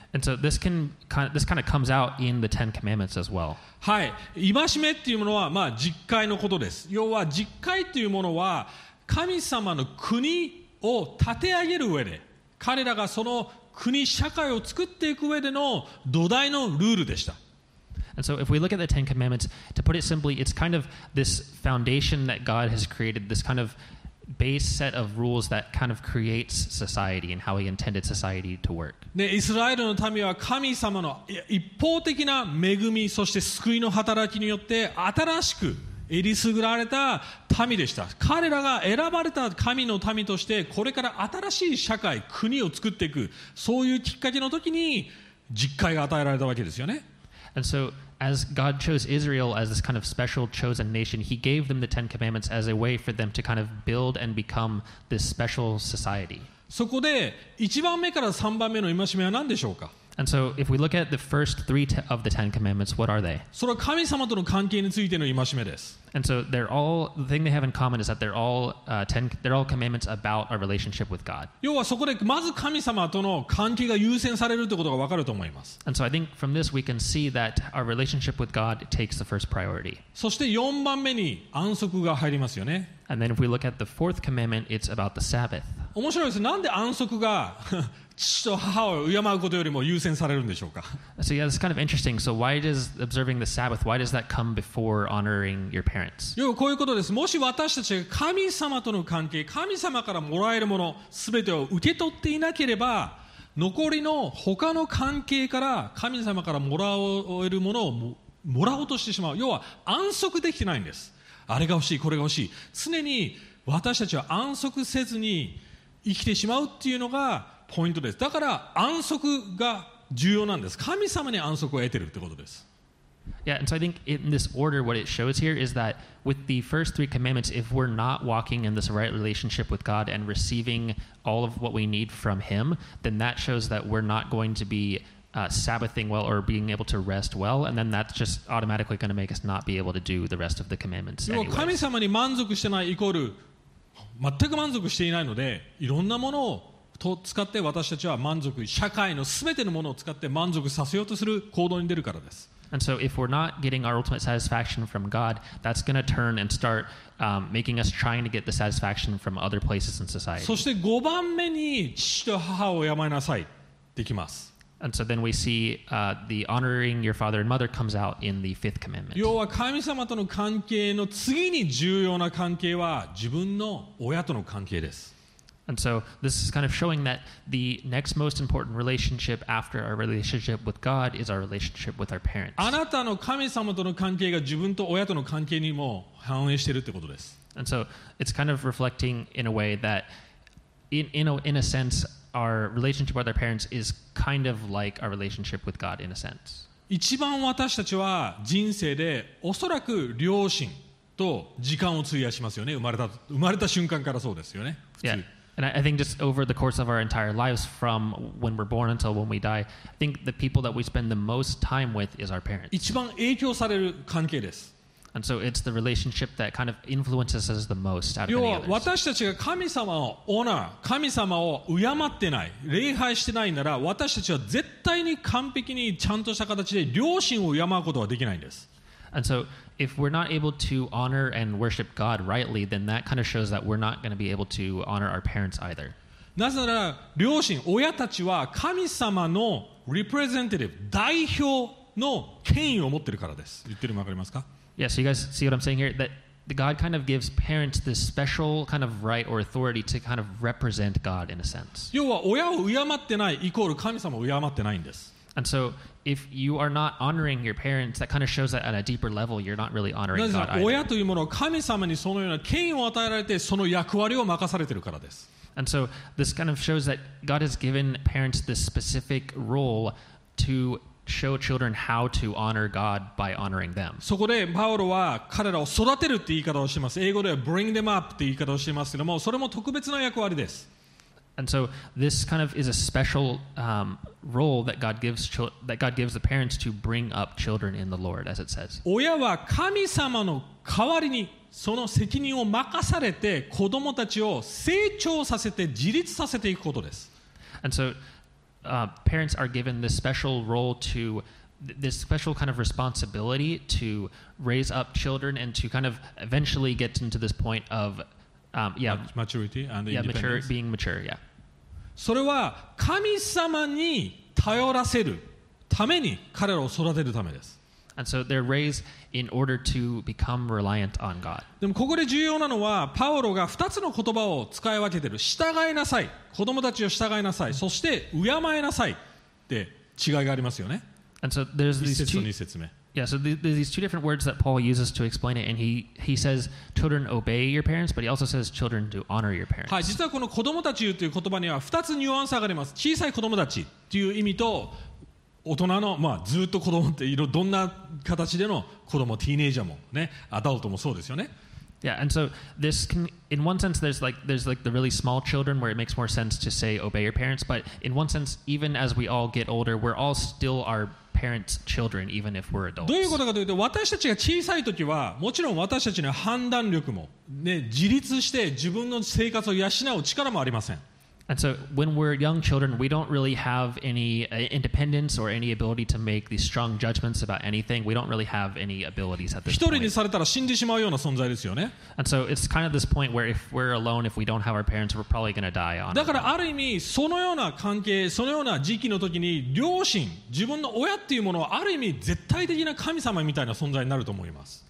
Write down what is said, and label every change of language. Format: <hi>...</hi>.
<en>And so this kind of comes out in the Ten Commandments as well.</en> <ja>はい、戒めっていうものは、まあ、実戒のことです。要は実戒っていうものは神様の国を立て上げる上で、彼らがその国社会を作っていく上での土台のルールでした。</ja> <en>And so if we look at the Ten Commandments, to put it simply, it's kind of this foundation that God has created, this kind of base set of rules that kind of creates society and how he intended society to work.</en> <ja>で、イスラエルの民は神様の一方的な恵み、そして救いの働きによって新しくえりすぐられた民でした。彼らが選ばれた神の民としてこれから新しい社会、国を作っていく、そういうきっかけの時に実戒が与えられたわけですよね。</ja> <en>And so, as God chose Israel as this kind of special chosen nation, He gave them the Ten Commandments as a way for them to kind of build and become this special society.</en> <ja>そこで1番目から3番目の戒めは何でしょうか？</ja> <en>And so, if we look at the first three of the Ten Commandments, what are they?</en> <ja>それは神様との関係についての戒めです。</ja> <en>And so, they're all, the thing they have in common is that they're all, they're all commandments about our relationship with God.</en> <ja>要はそこでまず神様との関係が優先されるということがわかると思います。</ja> <en>And so, I think from this we can see that our relationship with God takes the first priority.</en> <ja>そして4番目に安息が入りますよね。</ja> <en>And then if we look at the fourth commandment, it's about the Sabbath.</en> <ja>面白いです。なんで安息が父と母を敬うことよりも優先されるんでしょうか。</ja> <en>So yeah, it's kind of interesting. So why does observing the Sabbath, why does that come before honoring your parents?</en> <ja>要はこういうことです。もし私たちが神様との関係、神様からもらえるもの、すべてを受け取っていなければ、残りの他の関係から神様からもらえるものをもらおうとしてしまう。要は安息できてないんです。あれが欲しい、これが欲しい。常に私たちは安息せずに生きてしまうっていうのがポイントです。だから安息が重要なんです。神様に安息を得てるってことです。</ja> <en>Yeah, and so I think in this order, what it shows here is that with the first three commandments, if we're not walking in this right relationship with God and receiving all of what we need from Him, then that shows that we're not going to be Sabbathing well or being able to rest well, and then that's just automatically going to make us not be able to do the rest of the commandments.</en> <ja>要は神様に満足してないイコール全く満足していないので、いろんなものをと使って私たちは満足、社会のすべてのものを使って満足させようとする行動に出るからです。</ja> <en>And so if we're not getting our ultimate satisfaction from God, that's going to turn and start making us trying to get the satisfaction from other places in society.</en> <ja>そして5番目に父と母を敬いなさいできます。</ja> <en>And so then we see the honoring your father and mother comes out in the fifth commandment.</en> <ja>要は神様との関係の次に重要な関係は自分の親との関係です。</ja> <en>And so this is kind of showing that the next most important relationship after our relationship with God is our relationship with our parents.</en> <ja>あなたの神様との関係が自分と親との関係にも反映しているってことです。</ja> <en>And so it's kind of reflecting in a way that in a sense our relationship with our parents is kind of like our relationship with God in a sense.</en> <ja>一番私たちは人生でおそらく両親と時間を費やしますよね。生まれた瞬間からそうですよね。普通。</ja> <en>Yeah. And I think just over the course of our entire lives, from when we're born until when we die, I think the people that we spend the most time with is our parents.</en> <ja>一番影響される関係です。</ja> <en>And so it's the relationship that kind of influences us the most out of any others.</en> <ja>要は私たちが神様を honor、神様を敬ってない、礼拝してないなら、私たちは絶対に完璧にちゃんとした形で両親を敬うことはできないんです。</ja> <en>And so, if we're not able to honor and worship God rightly, then that kind of shows that we're not going to be able to honor our parents either.</en> <ja>なぜなら、両親、親たちは神様の representative、代表の権威を持ってるからです。言ってるのわかりますか？</ja> <en>Yeah, so you guys see what I'm saying here? That God kind of gives parents this special kind of right or authority to kind of represent God in a sense.</en> <ja>要は、親を敬ってないイコール神様を敬ってないんです。</ja> <en>And so, if you are not honoring your parents, that kind of shows that at a deeper level, you're not really honoring God either.</en> <ja>親というものは神様にそのような権威を与えられて、その役割を任されているからです。</ja> <en>And so, this kind of shows that God has given parents this specific role to show children how to honor God by honoring them.</en> <ja>そこでパウロは彼らを育てるって言い方をしています。英語では</ja> <en>bring them up</en> <ja>って言い方をしていますけども、それも特別な役割です。</ja> <en>And so this kind of is a special role that God gives the parents to bring up children in the Lord, as it says.</en> <ja>親は神様の代わりにその責任を任されて子供たちを成長させて自立させていくことです。</ja> <en>And so, parents are given this special role to this special kind of responsibility to raise up children and to kind of eventually get into this point of maturity and independence. Being mature.</en> <ja>それは神様に頼らせるために彼らを育てるためです。</ja> <en>And so they're raised in order to become reliant on God.</en> <ja>でもここで重要なのはパウロが2つの言葉を使い分けている。従いなさい、子供たちを従いなさい、そして敬いなさいって違いがありますよね。</ja> <en>And so there's these</en> <ja>two 節と2節目。</ja> <en>Yeah, so there's these two different words that Paul uses to explain it, and he says children obey your parents, but he also says children to honor your parents.</en> <ja>はい、実はこの子供たちという言葉には2つニュアンスがあります。小さい子供たちという意味と大人の、まあ、ずっと子供っていろどんな形での子供、ティーネイジャーもね、アダルトもそうですよね。</ja> <en>Yeah, and so this can, in one sense, there's like the really small children where it makes more sense to say obey your parents. But in one sense, even as we all get older, we're all still our parents' children, even if we're adults. どういうことかというと、私たちが小さい時はもちろん私たちの判断力もね、自立して自分の生活を養う力もありません。 And so when we're young children, we don't really have any independence or any ability to make these strong judgments about anything. We don't really have any abilities at this point.</en> <ja>一人にされたら死んでしまうような存在ですよね。</ja> <en>And so it's kind of this point where if we're alone, if we don't have our parents, we're probably going to die on our own.</en> <ja>だからある意味そのような関係、そのような時期の時に両親、自分の親っていうものはある意味絶対的な神様みたいな存在になると思います。</ja>